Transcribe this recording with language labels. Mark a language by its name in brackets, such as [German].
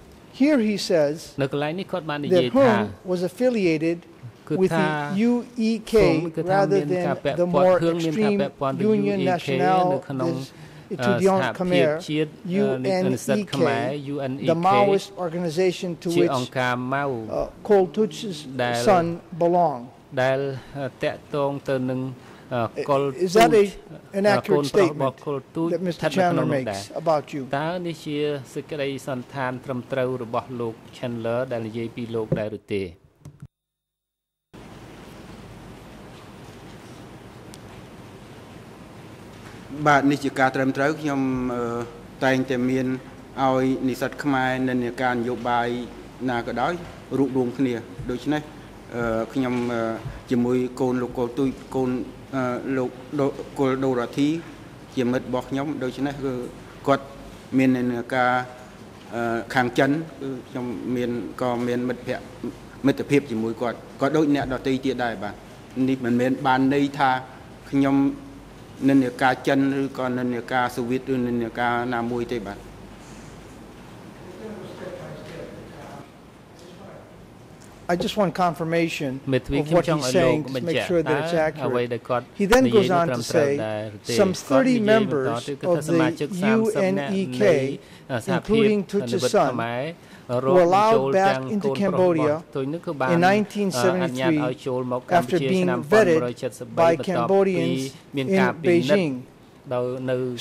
[English] Here he says that Hung was affiliated with the UEK rather than the more extreme Union Nationale Khmer, UNEK, the Maoist organization to which Kol Tuch's son belonged. Is that an accurate statement that Mr. Chandler makes about you? [Khmer] តើនេះជាសេចក្តីសន្ឋានត្រឹមត្រូវរបស់លោក Chandler ដែលនិយាយពីលោកដែរឬទេ? បាទនេះជាការត្រឹមត្រូវខ្ញុំតែងតែមានឲ្យនិស្សិតខ្មែរនិន្នាការនយោបាយណាក៏ដោយរួមរងគ្នាដូច្នេះខ្ញុំជាមួយកូនលោកកុលទូចកូន លោកកុលដូរ៉ាធីជាមិត្តរបស់ខ្ញុំដូច្នេះគឺគាត់មាននានាការខាងចិនគឺខ្ញុំមានក៏មានមិត្តភក្តិមិត្តភាពជាមួយគាត់ក៏ដូចអ្នកដទៃទៀតដែរបាទនេះមិនមែនបានន័យថាខ្ញុំនានាការចិនឬក៏នានាការសូវៀតឬនានាការណាមួយទេបាទ [English] I just want confirmation of what he's saying to make sure that it's accurate. He then goes on to say some 30 members of the UNEK, including Thuch's son, were allowed back into Cambodia in 1973 after being vetted by Cambodians in Beijing.